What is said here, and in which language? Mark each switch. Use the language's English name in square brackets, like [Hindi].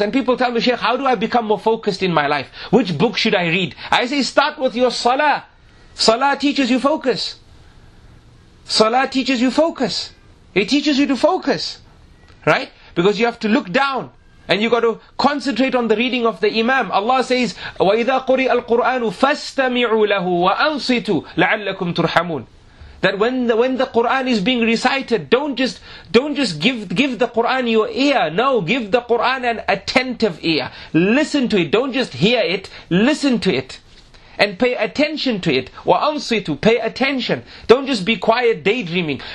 [English] And people tell me, Shaykh, how do I become more focused in my life? Which book should I read? I say, start with your salah. Salah teaches you focus. Salah teaches you focus. It teaches you to focus. Right? Because you have to look down. And you got to concentrate on the reading of the imam. Allah says, [Arabic] وَإِذَا قُرِئَ الْقُرْآنُ فَاسْتَمِعُوا لَهُ وَأَنصِتُوا لَعَلَّكُمْ تُرْحَمُونَ. [English] That when the Quran is being recited, don't just give the Quran your ear. No, give the Quran an attentive ear. Listen to it. Don't just hear it. Listen to it, and pay attention to it. [Arabic] Wa ansitu, [English] pay attention. Don't just be quiet daydreaming.